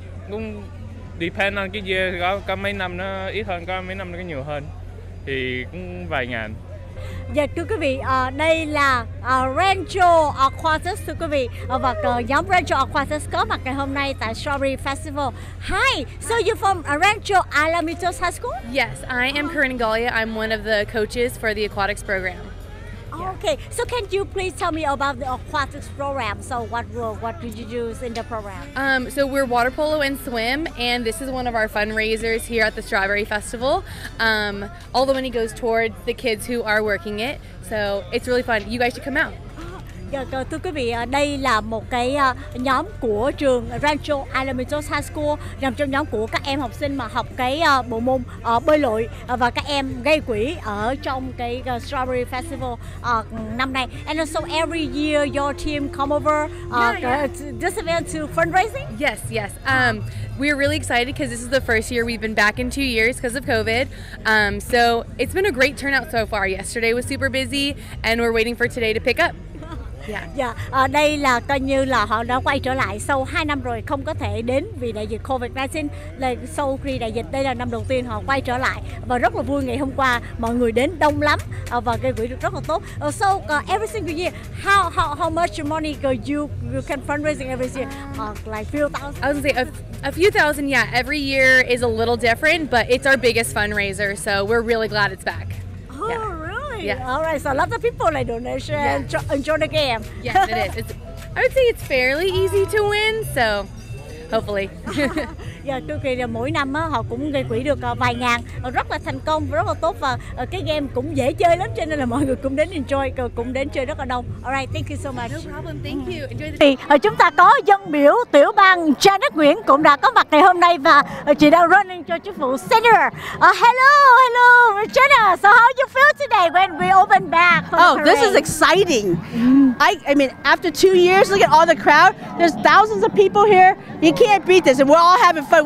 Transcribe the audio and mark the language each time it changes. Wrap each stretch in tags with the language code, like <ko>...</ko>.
<vi>Cũng</vi> <en>depend on</en> <vi>cái year, có mấy năm nó ít hơn, có mấy năm nó nhiều hơn thì cũng vài ngàn. Dạ thưa quý vị, đây là Rancho Aquatics thưa quý vị và nhóm Rancho Aquatics có mặt ngày hôm nay tại Strawberry Festival.</vi> <en>Hi, so you from Rancho Alamitos High School? Yes, I am Karen Golia. I'm one of the coaches for the aquatics program. Okay, so can you please tell me about the aquatics program? So what did you do in the program? So we're water polo and swim, and this is one of our fundraisers here at the Strawberry Festival. All the money goes toward the kids who are working it, so it's really fun. You guys should come out.</en> <vi>Thưa quý vị, đây là một cái nhóm của trường Rancho Alamitos High School, nằm trong nhóm của các em học sinh mà học cái bộ môn bơi lội, và các em gây quỹ ở trong cái Strawberry Festival năm nay.</vi> <en>And so every year your team come over this event to fundraising? Yes, yes. We're really excited because this is the first year we've been back in 2 years because of COVID. So it's been a great turnout so far. Yesterday was super busy and we're waiting for today to pick up.</en> <vi>Đây là coi như là họ đã quay trở lại sau 2 năm rồi không có thể đến vì đại dịch COVID-19. Sau khi đại dịch, đây là năm đầu tiên họ quay trở lại. Và rất là vui ngày hôm qua, mọi người đến đông lắm và gây quỹ được rất là tốt.</vi> <en>So every single year, how much money you can fundraising every year? Like few thousand? I would say a few thousand, yeah. Every year is a little different, but it's our biggest fundraiser, so we're really glad it's back. Yeah. All right, so a lot of people like donation and enjoy the game. Yes, it is. I would say it's fairly easy to win, so hopefully.</en> <vi>Yeah, tôi kỳ là mỗi năm họ cũng gây quỹ được vài ngàn, rất là thành công, rất là tốt, và cái game cũng dễ chơi lắm, cho nên là mọi người cũng đến enjoy, cũng đến chơi rất là đông.</vi> <en>All right, thank you so much. No problem, thank you. Enjoy the game.</en> <vi>Chúng ta có dân biểu tiểu bang Janet Nguyễn cũng đã có mặt ngày hôm nay và chị đang running cho chức vụ senator.</vi> <en>Hello, Janet. So how you feel today when we open back? Oh, this is exciting. I mean, after 2 years, look at all the crowd. There's thousands of people here. You can't beat this, and we're all having fun.</en>